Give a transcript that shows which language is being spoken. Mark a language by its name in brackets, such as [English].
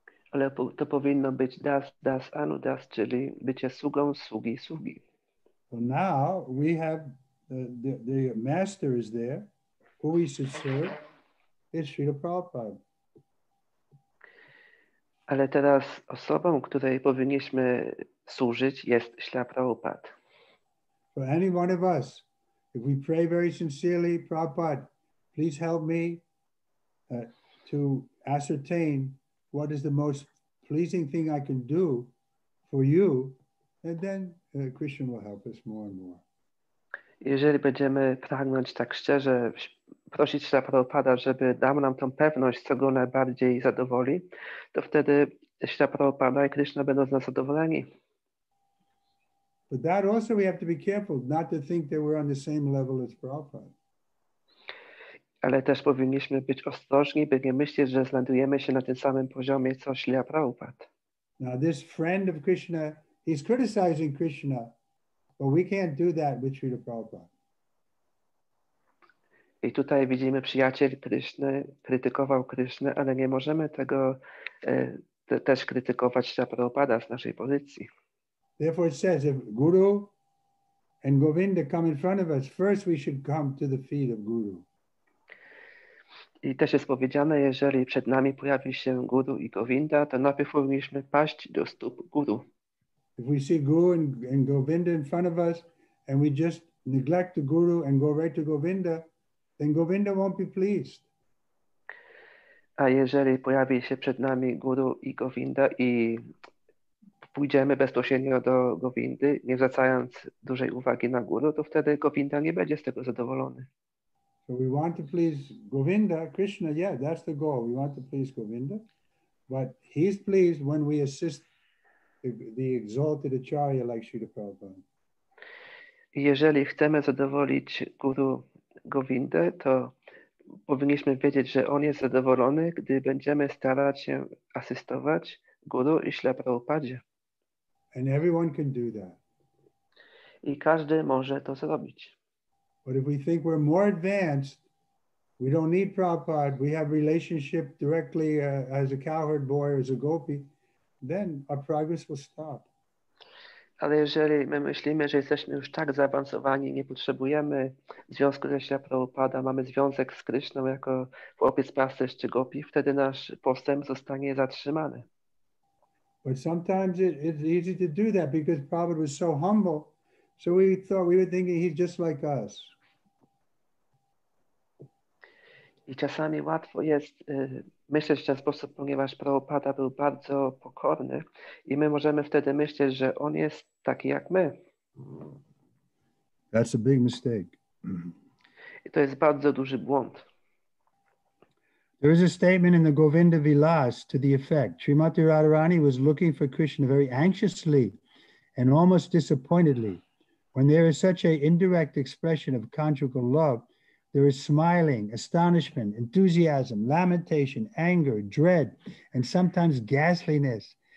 [Polish] Ale to powinno być [Sanskrit] das das anudas, [Polish] czyli bycie sługą sługi sługi. [English] So now we have the master is there, who we should serve. It's Śrīla Prabhupāda. [Polish] Ale teraz osobą, której powinniśmy służyć, jest Śrīla Prabhupāda. [English] For any one of us, if we pray very sincerely, Prabhupāda, please help me to ascertain what is the most pleasing thing I can do for you, and then Krishna will help us more and more. [Polish] Jeżeli będziemy pragnąć tak szczerze prosić Śrīla Prabhupada, żeby dał nam tą pewność, co go najbardziej zadowoli, to wtedy Śrīla Prabhupada i Krishna będą z nas zadowoleni. [English] But that also we have to be careful not to think that we're on the same level as Prabhupada. [Polish] Ale też powinniśmy być ostrożni, by nie myśleć, że znajdujemy się na tym samym poziomie, co Śrīla Prabhupada. [English] Now this friend of Krishna, he's criticizing Krishna, but we can't do that with Śrīla Prabhupada. [Polish] I tutaj widzimy przyjaciel Kryszny, krytykował Krysznę, ale nie możemy tego też krytykować Śrīla Prabhupada z naszej pozycji. [English] Therefore it says, if Guru and Govinda come in front of us, first we should come to the feet of Guru. [Polish] I też jest powiedziane, jeżeli przed nami pojawi się Guru i Govinda, to najpierw powinniśmy paść do stóp Guru. [English] If we see Guru and Govinda in front of us and we just neglect the Guru and go right to Govinda, then Govinda won't be pleased. [Polish] A jeżeli pojawi się przed nami Guru i Govinda i pójdziemy bezpośrednio do Govindy, nie zwracając dużej uwagi na Guru, to wtedy Govinda nie będzie z tego zadowolony. [English] So we want to please Govinda, Krishna, yeah, that's the goal. We want to please Govinda. But he's pleased when we assist the exalted Acharya like Śrīla Prabhupada. [Polish] Jeżeli chcemy zadowolić Guru Govindę, to powinniśmy wiedzieć, że On jest zadowolony, gdy będziemy starać się asystować Guru i Śrila Prabhupadzie. [English] And everyone can do that. [Polish] I każdy może to zrobić. [English] But if we think we're more advanced, we don't need Prabhupada, we have relationship directly as a cowherd boy or as a gopi, then our progress will stop. [Polish] Ale jeżeli my myślimy, że jesteśmy już tak zaawansowani, nie potrzebujemy związku ze Śrila Prabhupada, mamy związek z Kryszną jako chłopiec pasterz czy gopi, wtedy nasz postęp zostanie zatrzymany. [English] But sometimes it's easy to do that because Prabhupada was so humble, so we were thinking he's just like us. [Polish] I czasami łatwo jest myśleć w ten sposób, ponieważ Prabhupada był bardzo pokorny i my możemy wtedy myśleć, że on jest taki jak my. [English] That's a big mistake. [Polish] I to jest bardzo duży błąd. [English] There is a statement in the Govinda Vilas to the effect. Srimati Radharani was looking for Krishna very anxiously and almost disappointedly. When there is such an indirect expression of conjugal love, there is smiling, astonishment, enthusiasm, lamentation, anger, dread, and sometimes ghastliness.